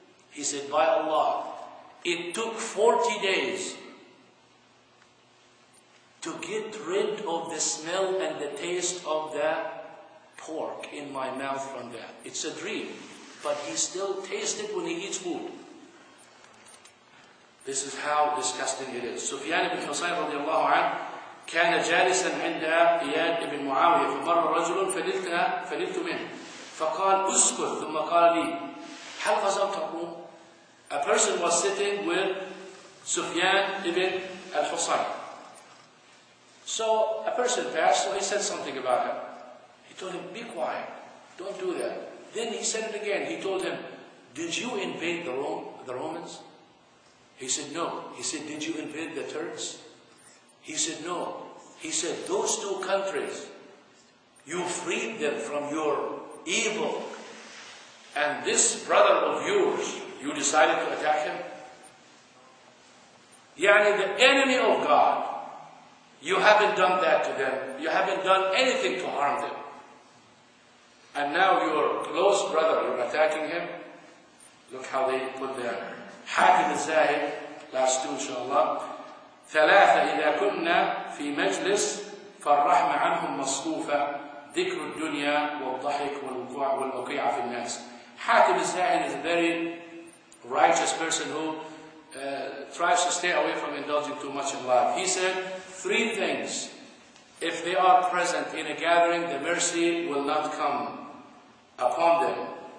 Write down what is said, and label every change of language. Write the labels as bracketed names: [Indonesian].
[English] He said, by Allah, it took 40 days to get rid of the smell and the taste of that pork in my mouth from that. It's a dream. But he still tastes it when he eats food. This is how disgusting it is. [Arabic] Sufyan ibn Husayn radiallahu anhu كان جالسا عند إياد بن معاوية فمر رجل فنلت منه فقال أسكت ثم قال لي هل غزوت الروم؟ [English] A person was sitting with Sufyan ibn al-Husayn. So a person passed, so he said something about him. He told him, be quiet, don't do that. Then he said it again. He told him, did you invade the Romans? He said, no. He said, did you invade the Turks? He said, no. He said, those two countries, you freed them from your evil. And this brother of yours, you decided to attack him? Yani, the enemy of God, you haven't done that to them. You haven't done anything to harm them. And now your close brother, you're attacking him. Look how they put their Hakim al-Zahid, last two, inshallah. [Arabic] ثلاثة إذا كنا في مجلس فالرحمة عنهم مصروفة ذكر الدنيا والضحك والوقوع والوقيعة في الناس. [English] حاتم الزاهد is a very righteous person who tries to stay away from indulging too much in life. He said three things. If they are present in a gathering, the mercy will not come upon them.